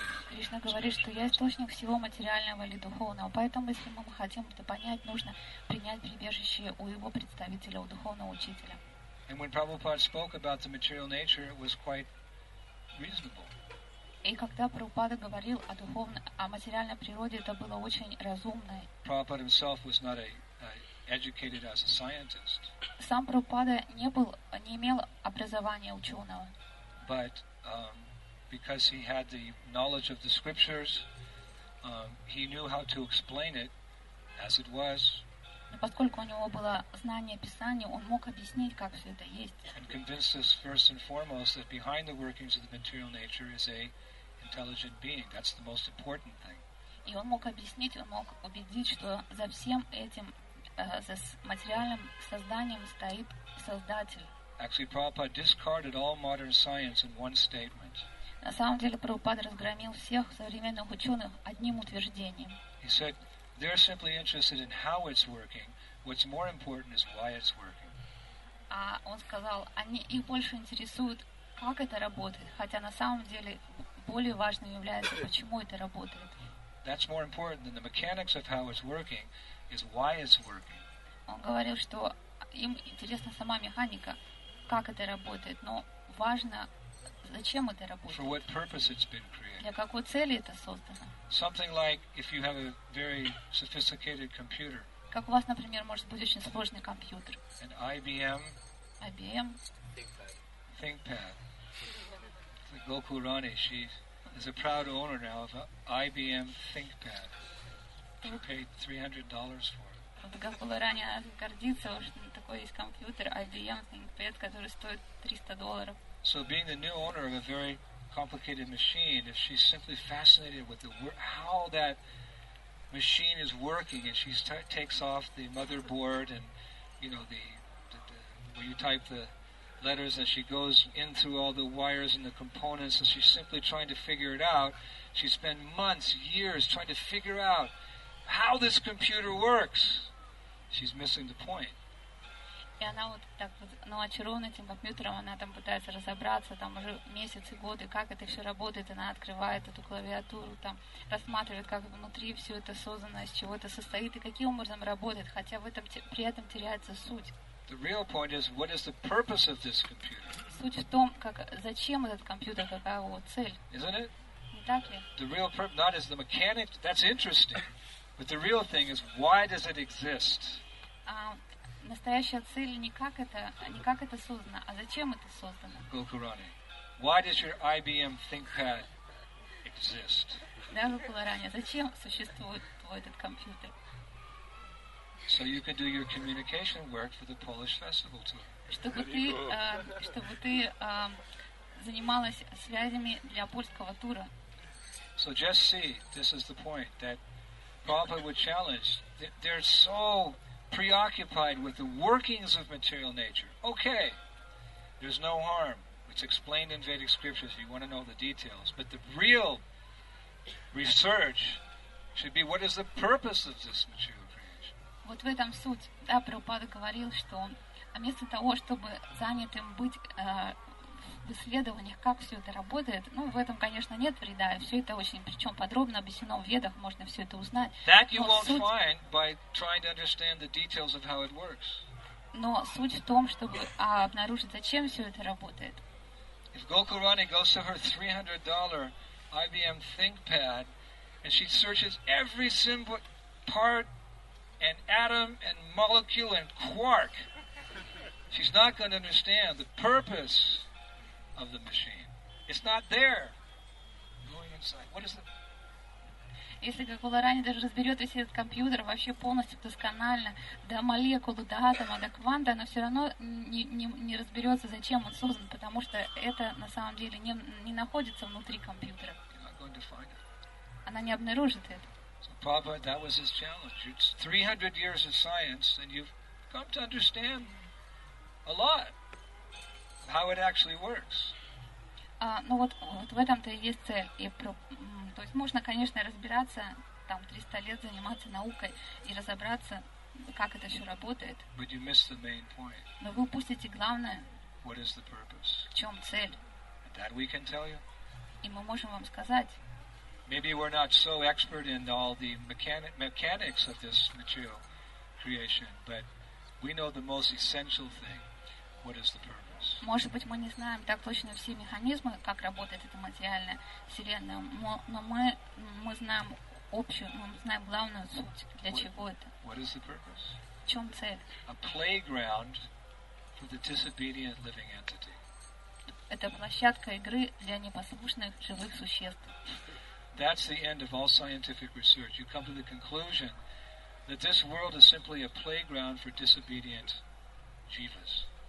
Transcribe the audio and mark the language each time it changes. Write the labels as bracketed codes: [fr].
[ru] Кришна говорит, что я источник всего материального или духовного, поэтому если мы хотим это понять, нужно принять прибежище у его представителя, у духовного учителя. [en] And when Prabhupada spoke about the material nature, it was quite reasonable. [ru] И когда Прабхупада говорил о материальной природе, это было очень разумно. [en] Prabhupada himself was not educated as a scientist. [ru] Сам Прабхупада не имел образования ученого. [en] But because he had the knowledge of the scriptures, he knew how to explain it as it was. [ru] Но поскольку у него было знание Писания, он мог объяснить, как все это есть. [en] And convince us first and foremost that behind the workings of the material nature is a intelligent being. That's the most important thing. [ru] И он мог объяснить, он мог убедить, что за всем этим, за материальным созданием стоит Создатель. [en] Actually, Prabhupada discarded all modern science in one statement. [ru] На самом деле, Прабхупада разгромил всех современных ученых одним утверждением. [en] He said, they're simply interested in how it's working. What's more important is why it's working. [ru] А он сказал, они их больше интересуют, как это работает, хотя на самом деле более важным является, почему это работает. [en] That's more important than the mechanics of how it's working, is why it's working. [ru] Он говорил, что им интересна сама механика, как это работает, но важно, зачем это работает. [en] For what purpose it's been created. [ru] Для какой цели это создано. [en] Something like if you have a very sophisticated computer. [ru] Как у вас, например, может быть очень сложный компьютер. [en] An IBM. [ru] IBM. [en] ThinkPad. It's like Goku Rani, she is a proud owner now of an IBM ThinkPad. She paid $300 for it. [ru] Вот как было ранее, она гордится, что такой есть компьютер IBM ThinkPad, который стоит $300. [en] So being the new owner of a very complicated machine, if she's simply fascinated with how that machine is working, and she takes off the motherboard and, you know, the where you type the letters, and she goes in through all the wires and the components, and she's simply trying to figure it out. She spent months, years trying to figure out how this computer works. She's missing the point. [ru] И она вот так вот, ну, очарована этим компьютером, она там пытается разобраться, там уже месяцы, годы, как это все работает, она открывает эту клавиатуру, там рассматривает, как внутри все это создано, из чего это состоит и каким образом работает, хотя в этом при этом теряется суть. [en] The real point is, what is the purpose of this computer? [ru] Суть в том, как зачем этот компьютер, какая его цель? [en] Isn't it? [ru] Не так ли? [en] The real purpose, not as the mechanic, that's interesting, but the real thing is, why does it exist? [ru] Настоящая цель не как это создано, а зачем это создано? [en] Gokurani, why does your IBM ThinkPad exist? [ru] Да, Gokurani, зачем существует твой этот компьютер? [en] So you could do your communication work for the Polish festival tour. [ru] Чтобы ты занималась связями для польского тура. [en] So just see, this is the point that Prabhupada would challenge. They're so preoccupied with the workings of material nature. Okay, there's no harm. It's explained in Vedic scriptures. If you want to know the details, but the real research should be what is the purpose of this material. [ru] Вот в этом суть. Да, Прабхупада говорил, что вместо того, чтобы занятым быть в исследованиях, как все это работает, ну, в этом, конечно, нет вреда, и все это очень, причем подробно объяснено в Ведах, можно все это узнать. [en] That you won't find by trying to understand the details of how it works. [ru] Но суть в том, чтобы обнаружить, зачем все это работает. [en] If Gokurani goes to her $300 IBM ThinkPad, and she searches every simple part and atom and molecule and quark, she's not going to understand the purpose of the machine. It's not there. Going inside. What is it? [ru] Если Гакуларани даже разберет весь этот компьютер вообще полностью досконально, до молекулы, до атома, до кванта, она все равно не разберется, зачем он создан, потому что это на самом деле не находится внутри компьютера. Она не обнаружит это. [en] So Prabhupada, that was his challenge. It's 300 years of science, and you've come to understand a lot how it actually works. [ru] Ну вот в этом-то и есть цель. То есть можно, конечно, разбираться, там, 300 лет заниматься наукой и разобраться, как это все работает. [en] But you miss the main point. [ru] Но вы упустите главное. [en] What is the purpose? [ru] В чем цель? [en] And that we can tell you. [ru] И мы можем вам сказать. [en] Maybe we're not so expert in all the mechanics of this material creation, but we know the most essential thing. What is the purpose? [ru] Может быть, мы не знаем так точно все механизмы, как работает эта материальная вселенная, но мы знаем общую, мы знаем главную суть, для чего это. [en] What is the purpose? [ru] В чем цель? [en] A playground for the disobedient living entity. [ru] Это площадка игры для непослушных живых существ. [en] That's the end of all scientific research. You come to the conclusion that this world is simply a playground for disobedient jivas.